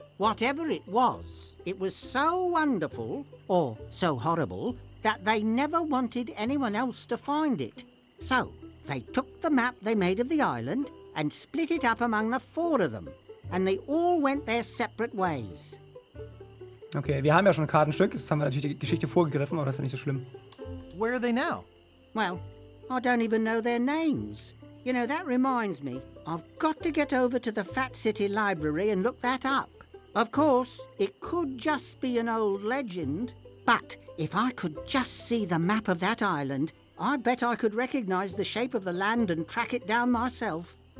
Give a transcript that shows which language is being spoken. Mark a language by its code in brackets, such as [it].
[en] Whatever it was so wonderful, or so horrible, that they never wanted anyone else to find it. So, they took the map they made of the island and split it up among the 4 of them. And they all went their separate ways. [de] Okay, wir haben ja schon ein Kartenstück. Jetzt haben wir natürlich die Geschichte vorgegriffen, aber das ist ja nicht so schlimm. [en] Where are they now? Well, I don't even know their names. You know, that reminds me. I've got to get over to the Fat City Library and look that up. Of course, it could just be an old legend. But if I could just see the map of that island, I bet I could recognize the shape of the land and track it down myself.